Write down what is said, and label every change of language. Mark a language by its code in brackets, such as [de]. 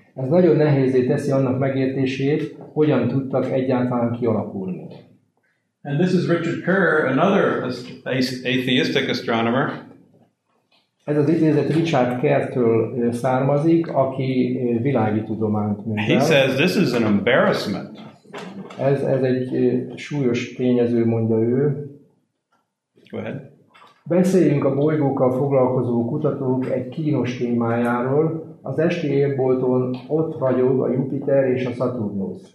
[hu] Ez nagyon nehézé teszi annak megértését, hogyan tudtak egyáltalán kialakulni. [en] And this is Richard Kerr, another atheistic astronomer. [hu] Ez az idézet Richard Kerr-től származik, aki világi tudományt művel. [en] He says this is an embarrassment. [hu] Ez egy súlyos tényező, mondja ő. [en] Go ahead. [hu] Beszéljünk a bolygókkal foglalkozó kutatók egy kínos témájáról. Az esti égbolton ott ragyog a Jupiter és a Saturnus.